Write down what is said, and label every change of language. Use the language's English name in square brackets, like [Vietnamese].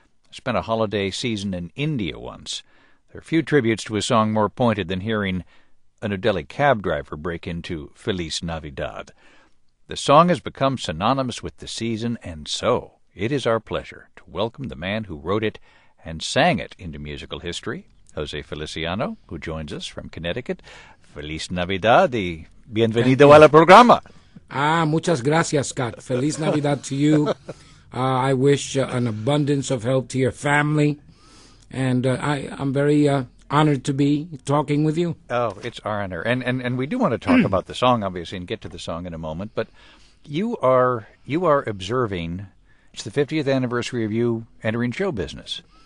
[English] I spent a holiday season in India once. There are few tributes to a song more pointed than hearing a New Delhi cab driver break into Feliz Navidad. The song has become synonymous with the season, and so it is our pleasure to welcome the man who wrote it and sang it into musical history, Jose Feliciano, who joins us from Connecticut. [Spanish] Feliz Navidad y bienvenido a la programa. Ah, muchas gracias, Scott. Feliz Navidad [English] to you. I wish an abundance of health to your family. And I'm very honored to be talking with you. Oh, it's our honor. And we do want to talk about the song, obviously, and get to the song in a moment. But you are observing, it's the 50th anniversary of you entering show business.